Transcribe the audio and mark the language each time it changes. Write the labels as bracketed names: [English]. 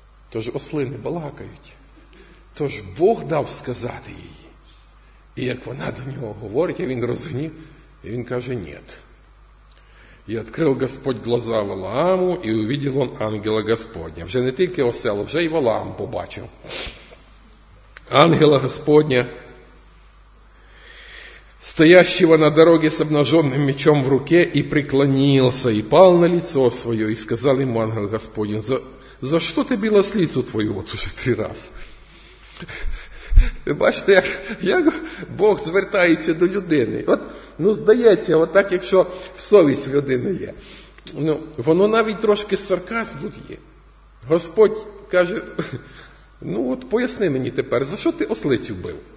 [Ukrainian] Тож ослини балакають. Тож Бог дав сказати їй. І як вона до нього говорить, а він розгнів, і він каже, ні. І відкрив Господь глаза Валааму, і увидів він ангела Господня. Вже не тільки осел, вже й Валаам побачив. [Russian] Ангела Господня, стоящего на дороге с обнаженным мечом в руке, и преклонился, и пал на лицо свое, и сказал ему ангел Господень, за что ты бил ослицу твою, вот уже три раза. Вы видите, как Бог [Ukrainian] звертається до людини. От, ну, здається, вот так, якщо в совість людини є. Ну, воно навіть трошки сарказм тут є. Господь каже, ну, от поясни мені тепер, за що ти ослицю бив?